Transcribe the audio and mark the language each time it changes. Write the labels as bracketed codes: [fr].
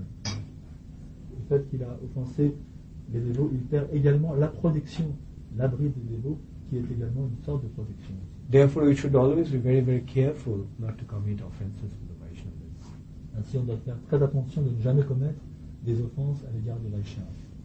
[fr] Le fait qu'il a offensé les dévots, il perd également la protection, l'abri des dévots, qui est également une sorte de protection. [en] Therefore, we should always be very, very careful not to commit offenses to the Vaishnavas. [fr] Ainsi, on doit faire très attention de ne jamais commettre des offenses à l'égard de Vaishnavas.